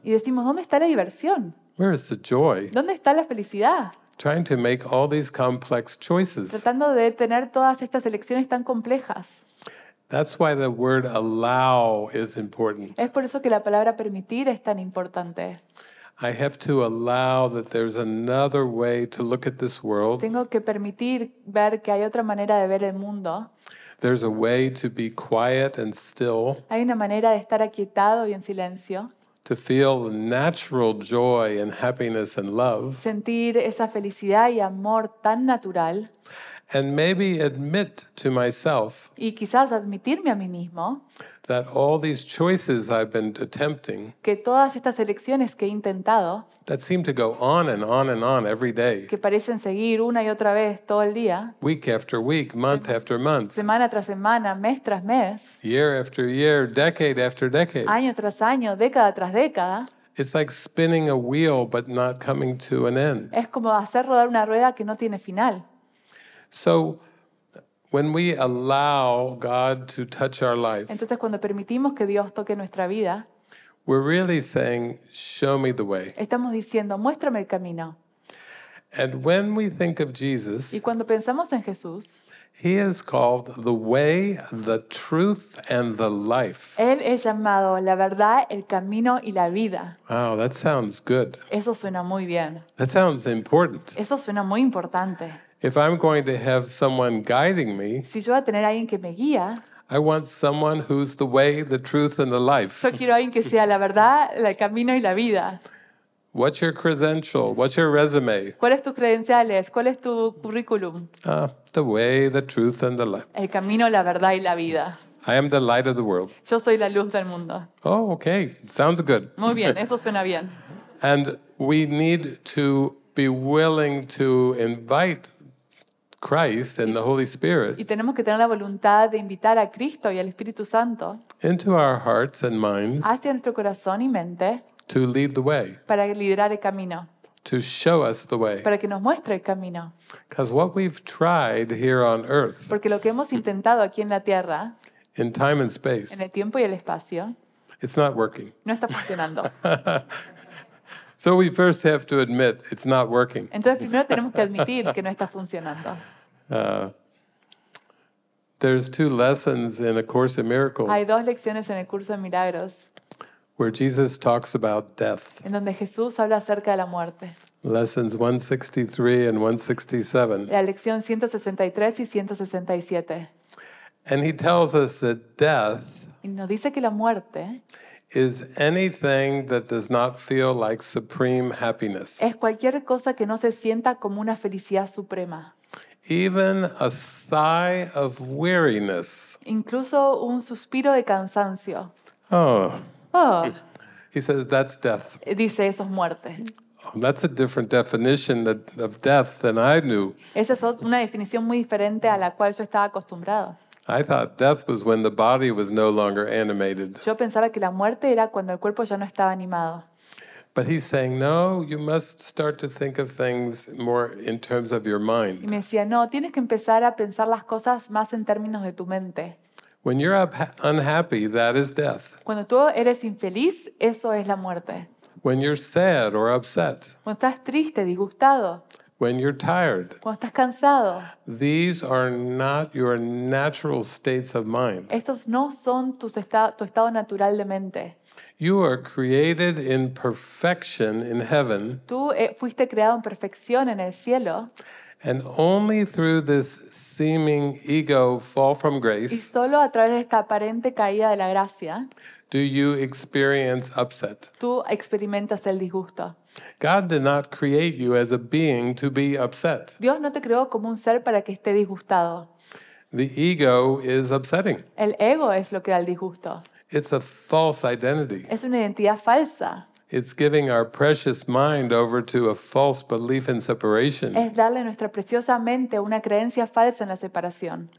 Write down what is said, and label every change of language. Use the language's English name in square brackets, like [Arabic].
[Spanish] Y decimos, ¿dónde está la diversión? [English] Where is the joy? [Spanish] ¿Dónde está la felicidad? [English] Trying to make all these complex choices. [Spanish] Tratando de tener todas estas elecciones tan complejas. [English] That's why the word allow is important. [Spanish] Es por eso que la palabra permitir es tan importante. [English] I have to allow that there's another way to look at this world. [Spanish] Tengo que permitir ver que hay otra manera de ver el mundo. [English] There's a way to be quiet and still. [Spanish] Hay una manera de estar aquietado y en silencio. [English] To feel the natural joy and happiness and love. [Spanish] Sentir esa felicidad y amor tan natural. [English] And maybe admit to myself [Spanish] y quizás admitirme a mí mismo [English] that all these choices I've been attempting [Spanish] que todas estas elecciones que he intentado [English] that seem to go on and on and on every day [Spanish] que parecen seguir una y otra vez todo el día [English] week after week, month after month [Spanish] semana tras semana, mes tras mes [English] year after year, decade after decade [Spanish] año tras año, década tras década. [English] It's like spinning a wheel but not coming to an end. [Spanish] Es como hacer rodar una rueda que no tiene final. [English] So when we allow God to touch our life, [Spanish] entonces cuando permitimos que Dios toque nuestra vida, [English] we're really saying, "Show me the way." [Spanish] Estamos diciendo, muéstrame el camino. [English] And when we think of Jesus, [Spanish] y cuando pensamos en Jesús, [English] He is called the way, the truth, and the life. [Spanish] Él es llamado la verdad, el camino y la vida. [English] Wow, that sounds good. [Spanish] Eso suena muy bien. [English] That sounds important. [Spanish] Eso suena muy importante. [English] If I'm going to have someone guiding me, [Spanish] si yo voy a tener alguien que me guía, [English] I want someone who's the way, the truth, and the life. [Spanish] Yo quiero alguien que sea la verdad, el camino y la vida. [English] What's your credential? What's your resume? [Spanish] ¿Cuáles tus credenciales? ¿Cuál es tu currículum? [English] Ah, the way, the truth, and the life. [Spanish] El camino, la verdad y la vida. [English] I am the light of the world. [Spanish] Yo soy la luz del mundo. [English] Oh, okay. Sounds good. [Spanish] Muy bien, eso suena bien. [English] And we need to be willing to invite Christ and the Holy Spirit. [Spanish] Y tenemos que tener la voluntad de invitar a Cristo y al Espíritu Santo. [English] Into our hearts and minds. [Spanish] Hacia nuestro corazón y mente. [English] To lead the way. [Spanish] Para liderar el camino. [English] To show us the way. [Spanish] Para que nos muestre el camino. [English] Because what we've tried here on earth. [Spanish] Porque lo que hemos intentado aquí en la tierra. [English] In time and space. [Spanish] En el tiempo y el espacio. [English] It's not working. [Spanish] No está funcionando. [English] So we first have to admit it's not working. [Spanish] Entonces primero tenemos que admitir que no está funcionando. [English] There's two lessons in A Course in Miracles. [Spanish] Hay dos lecciones en el curso de milagros. [English] Where Jesus talks about death. [Spanish] En donde Jesús habla acerca de la muerte. [English] Lessons 163 and 167. [Spanish] La lección 163 y 167. [English] And he tells us that death. [Spanish] Y nos dice que la muerte. [English] Is anything that does not feel like supreme happiness. [Spanish] Es cualquier cosa que no se sienta como una felicidad suprema. [English] Even a sigh of weariness. [Spanish] Incluso un suspiro de cansancio. [English] Oh. He says that's death. [Spanish] Dice eso es muerte. [English] That's a different definition of death than I knew. [Spanish] Esa es una definición muy diferente a la cual yo estaba acostumbrado. [English] I thought death was when the body was no longer animated. [Spanish] Yo pensaba que la muerte era cuando el cuerpo ya no estaba animado. [English] But he's saying, no, you must start to think of things more in terms of your mind. [Spanish] Y me decía, no, tienes que empezar a pensar las cosas más en términos de tu mente. [English] When you're unhappy, that is death. [Spanish] Cuando tú eres infeliz, eso es la muerte. [English] When you're sad or upset. [Spanish] Cuando estás triste, disgustado. [English] When you're tired. [Spanish] Cuando estás cansado. [English] These are not your natural states of mind. [Spanish] Estos no son tu estado natural de mente. [English] You are created in perfection in heaven. [Spanish] Tú fuiste creado en perfección en el cielo. [English] And only through this seeming ego fall from grace. [Spanish] Y solo a través de esta aparente caída de la gracia. [English] Do you experience upset? [Spanish] Tú experimentas el disgusto. [English] God did not create you as a being to be upset. [Spanish] Dios no te creó como un ser para que esté disgustado. [English] The ego is upsetting. [Spanish] El ego es lo que da el disgusto. [English] It's a false identity. [Spanish] Es una identidad falsa. [English] It's giving our precious mind over to a false belief in separation. [Spanish] Es darle nuestra preciosa mente una creencia falsa en la separación.